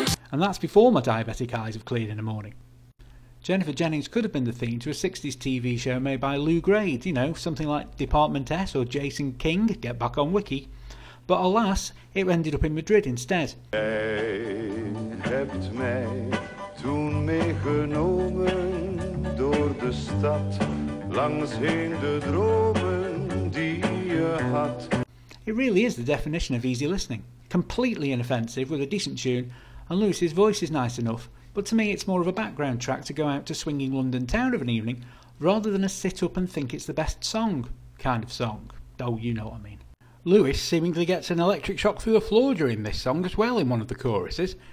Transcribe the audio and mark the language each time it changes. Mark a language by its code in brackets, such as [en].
[en] And that's before my diabetic eyes have cleared in the morning. Jennifer Jennings could have been the theme to a 60s TV show made by Lou Grade, you know, something like Department S or Jason King, get back on Wiki. But alas, it ended up in Madrid instead. [nl] Jij hebt mij toen meegenomen door de stad, langs heen de dromen die je had. [en] It really is the definition of easy listening. Completely inoffensive with a decent tune, and Lewis's voice is nice enough, but to me it's more of a background track to go out to swinging London town of an evening, rather than a sit-up-and-think-it's-the-best-song kind of song. Oh, you know what I mean. Lewis seemingly gets an electric shock through the floor during this song as well in one of the choruses.